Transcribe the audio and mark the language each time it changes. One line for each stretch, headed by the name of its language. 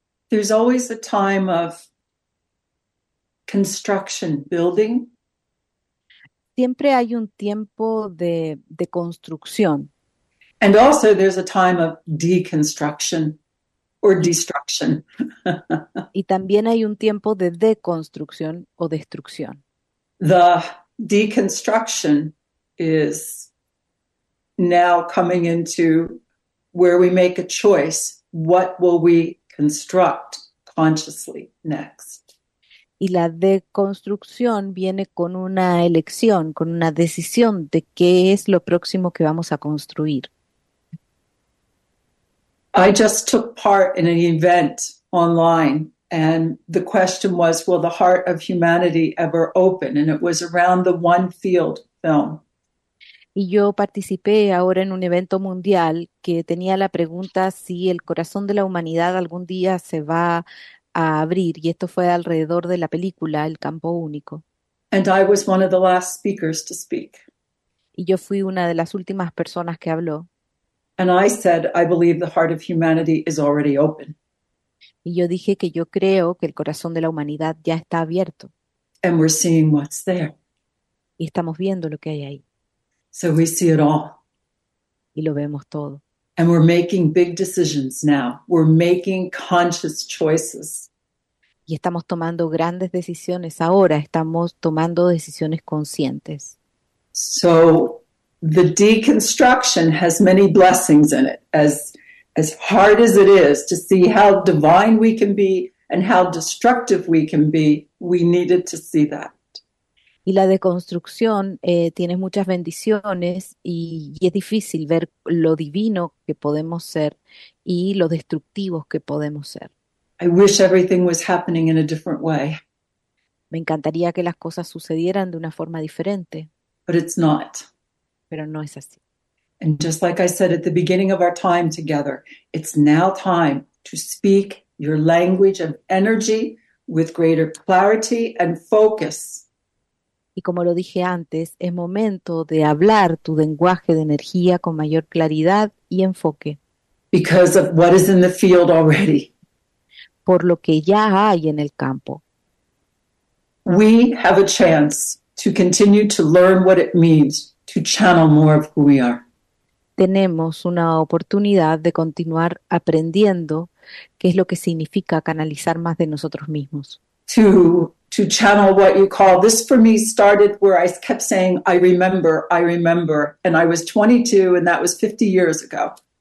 English: There's always a time of construction, building.
Spanish: Siempre hay un tiempo de construcción.
English: And also there's a time of deconstruction or destruction.
Spanish: Y también hay un tiempo de deconstrucción o destrucción.
English: The deconstruction is now coming into where we make a choice. What will we construct consciously next?
Spanish: Y la deconstrucción viene con una elección, con una decisión de qué es lo próximo que vamos a construir.
English: I just took part in an event online, and the question was, will the heart of humanity ever open? And it was around the One Field film.
Spanish: Y yo participé ahora en un evento mundial que tenía la pregunta si el corazón de la humanidad algún día se va a abrir, y esto fue alrededor de la película El Campo Único.
English: And I was one of the last speakers to speak.
Spanish: Y yo fui una de las últimas personas que habló.
English: And I said, I believe the heart of humanity is already open.
Spanish: Y yo dije que yo creo que el corazón de la humanidad ya está abierto.
English: And we're seeing what's there.
Spanish: Y estamos viendo lo que hay ahí.
English: So we see it all.
Spanish: Y lo vemos todo.
English: And we're making big decisions now. We're making conscious choices.
Spanish: Y estamos tomando grandes decisiones ahora, estamos tomando decisiones conscientes.
English: So the deconstruction has many blessings in it, as hard as it is to see how divine we can be and how destructive we can be, we needed to see that.
Spanish: Y la deconstrucción tiene muchas bendiciones y es difícil ver lo divino que podemos ser y lo destructivos que podemos ser.
English: I wish everything was happening in a different way.
Spanish: Me encantaría que las cosas sucedieran de una forma diferente,
English: But it's not.
Spanish: pero no es así.
English: And just like I said at the beginning of our time together, it's now time to speak your language of energy with greater clarity and focus.
Spanish: Y como lo dije antes, es momento de hablar tu lenguaje de energía con mayor claridad y enfoque.
English: Because of what is in the field already.
Spanish: Por lo que ya hay en el campo.
English: We have a chance to continue to learn what it means to channel more of who we are.
Spanish: Tenemos una oportunidad de continuar aprendiendo qué es lo que significa canalizar más de nosotros mismos.
English: To channel what you call, this for me started where I kept saying, I remember, and I was 22, and that was 50 years ago.